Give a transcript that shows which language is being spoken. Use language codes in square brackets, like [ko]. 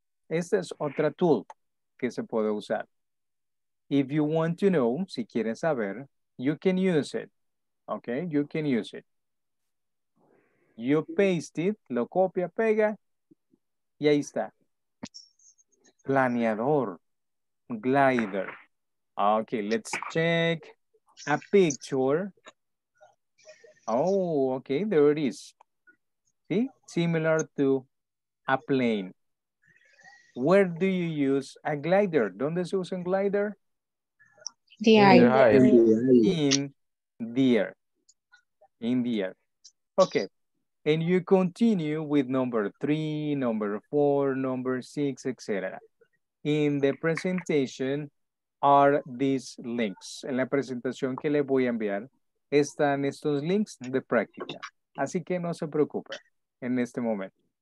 [es] Esta es otra tool que se puede usar. [en] If you want to know, [es] si quieres saber, [en] you can use it. Okay, you can use it. You paste it, [es] lo copia, pega, y ahí está. [en] Planeador, glider. Okay, let's check a picture. Oh, okay, there it is. See, similar to a plane. Where do you use a glider? [es] ¿Dónde se usa un glider? [en] The air. In the air. In the air. Okay. And you continue with number three, number four, number six, etc. In the presentation are these links. [es] En la presentación que le voy a enviar están estos links de práctica. Así que no se preocupe en este momento.